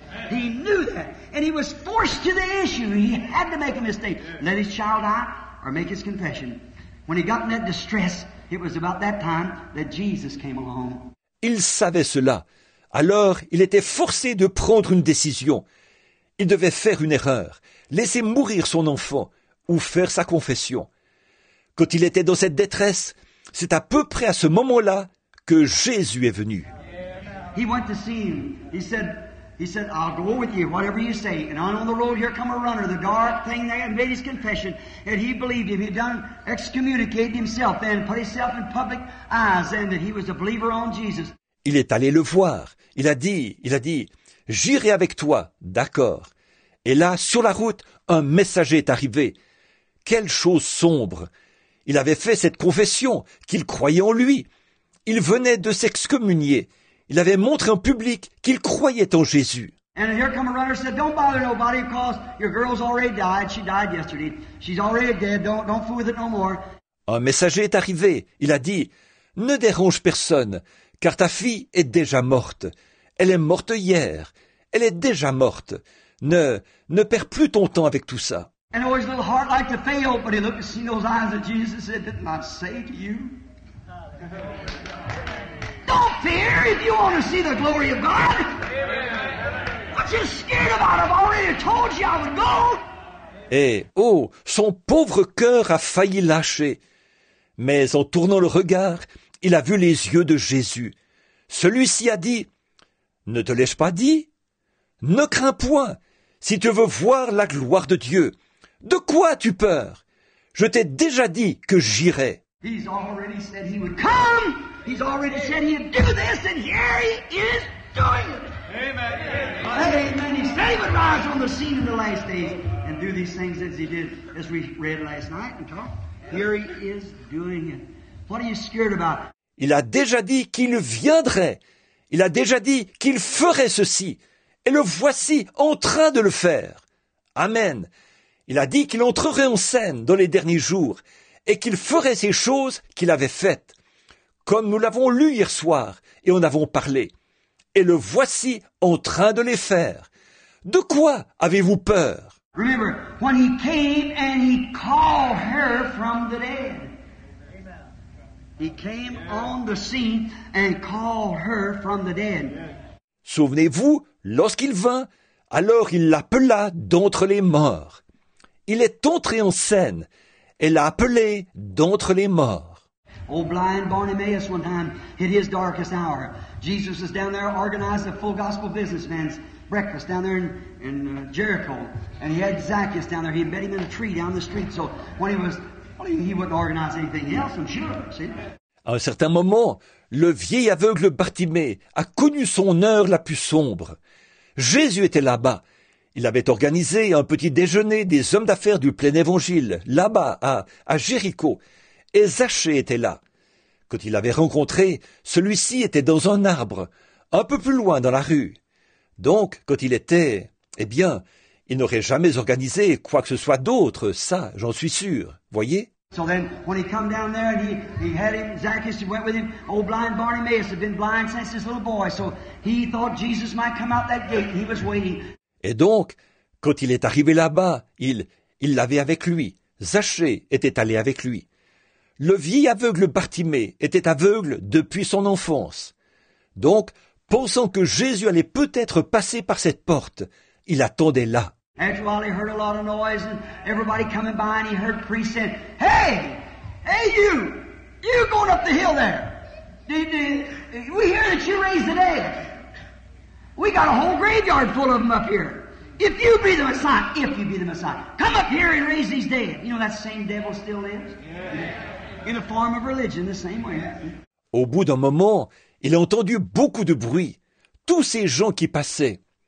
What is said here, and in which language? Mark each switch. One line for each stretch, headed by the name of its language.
English: He knew that. And he was forced to the issue. He had to make a mistake. Let his child die or make his confession. When he got in that distress, it was about that time that Jesus came along.
French: Il savait cela. Alors, il était forcé de prendre une décision. Il devait faire une erreur, laisser mourir son enfant ou faire sa confession. Quand il était dans cette détresse, c'est à peu près à ce moment-là que Jésus est venu.
English: He went to see him. He said, I'll go with you, whatever you say. And on the road, here come a runner, the dark thing there, and made his confession. And he believed him. He'd done excommunicated himself then, put himself in public eyes then, that he was a believer on Jesus.
French: Il est allé le voir. Il a dit, j'irai avec toi, d'accord. Et là, sur la route, un messager est arrivé. Quelle chose sombre! Il avait fait cette confession qu'il croyait en lui. Il venait de s'excommunier. Il avait montré en public qu'il croyait en Jésus.
English: And here come a runner said, don't bother nobody because your girl's already died. She died yesterday. She's already dead. Don't fool with it no more.
French: Un messager est arrivé. Il a dit, ne dérange personne, car ta fille est déjà morte. Elle est morte hier. Elle est déjà morte. Ne perds plus ton temps avec tout ça.
English: And his little heart like to fail, but he looked to see those eyes of Jesus and said, didn't I say to you? Don't fear if you want to see the glory of God. What you scared about? I've already told you I would go.
French: Et oh, son pauvre cœur a failli lâcher. Mais en tournant le regard, il a vu les yeux de Jésus. Celui-ci a dit, ne te l'ai-je pas dit? Ne crains point, si tu veux voir la gloire de Dieu. De quoi as-tu peur? Je t'ai déjà dit que j'irai.
English: He's already said he would come. He's already said he'd do this, and here he is doing it. Amen. Amen. He said he would rise on the scene in the last days and do these things as he did, as we read last night and talked. Here he is doing it. What are you scared about?
French: Il a déjà dit qu'il viendrait. Il a déjà dit qu'il ferait ceci. Et le voici en train de le faire. Amen. Il a dit qu'il entrerait en scène dans les derniers jours et qu'il ferait ces choses qu'il avait faites. Comme nous l'avons lu hier soir et en avons parlé. Et le voici en train de les faire. De quoi avez-vous peur?
English: Remember, when he came and he called her from the dead. He came on the scene and called her from the dead.
French: Souvenez-vous, lorsqu'il vint, alors il l'appela d'entre les morts. Il est entré en scène et l'a appelé d'entre les morts.
English: Old blind Bartimaeus one time hit his darkest hour. Jesus was down there organized a full gospel businessman's breakfast down there in Jericho. And he had Zacchaeus down there. He met him in a tree down the street. So when he wouldn't organize anything else, I'm sure, see?
French: À un certain moment, le vieil aveugle Bartimée a connu son heure la plus sombre. Jésus était là-bas. Il avait organisé un petit déjeuner des hommes d'affaires du plein évangile, là-bas, à Jéricho. Et Zachée était là. Quand il l'avait rencontré, celui-ci était dans un arbre, un peu plus loin dans la rue. Donc, quand il était, eh bien, il n'aurait jamais organisé quoi que ce soit d'autre, ça, j'en suis sûr, voyez?
English: So then, when he come down there, and he had him, Zacchaeus, he went with him, old blind Bartimaeus had been blind since his little boy, so he thought Jesus might come out that gate, he was waiting.
French: Et donc, quand il est arrivé là-bas, il l'avait avec lui, Zachée était allé avec lui. Le vieil aveugle Bartimée était aveugle depuis son enfance. Donc, pensant que Jésus allait peut-être passer par cette porte, il attendait là.
English: After a while, he heard a lot of noise and everybody coming by, and he heard priests saying, "Hey! Hey, you! You going up the hill there! We hear that you raised the dead. We got a whole graveyard full of them up here. If you be the Messiah, come up here and raise these dead." You know that same devil still lives? In a form of religion, the same way.
French: Au bout d'un moment, il a entendu beaucoup de bruit. Tous ces gens qui passaient.